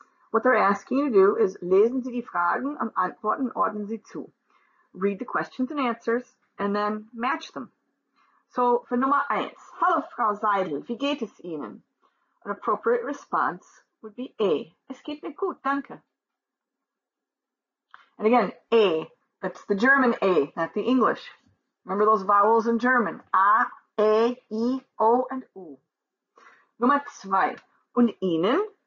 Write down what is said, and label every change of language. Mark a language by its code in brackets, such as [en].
[en] What they're asking you to do is [de] lesen Sie die Fragen und antworten ordnen Sie zu. [en] Read the questions and answers and then match them. So for number 1, [de] Hallo Frau Seidel, wie geht es Ihnen? [en] An appropriate response would be A. [de] Es geht mir gut, danke. [en] And again, A, that's the German A, not the English. Remember those vowels in German? A, E, I, O, and U. [de] Nummer 2. Und Ihnen?